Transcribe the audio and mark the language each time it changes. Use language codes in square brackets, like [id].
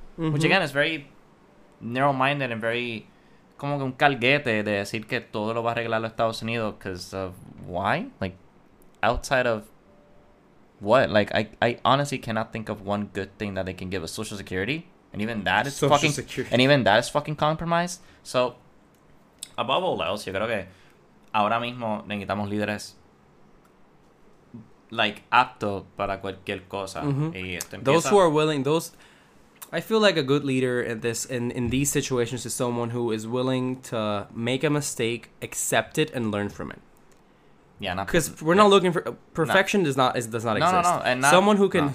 [en] Mm-hmm. Which again is very narrow-minded and very [es] como un calguete de decir que todo lo va a arreglar los Estados Unidos. [en] Because of why? Like, outside of what? Like, I honestly cannot think of one good thing that they can give us. Social Security, and even that is Social fucking Security. And even that is fucking compromised. So above all else, [es] yo creo que ahora mismo necesitamos líderes. [en] Like, [es] apto para cualquier cosa. Mm-hmm. [en] Those who are willing, I feel like a good leader in these situations is someone who is willing to make a mistake, accept it, and learn from it. Yeah, not because we're not looking for perfection. Does not exist. No. And not,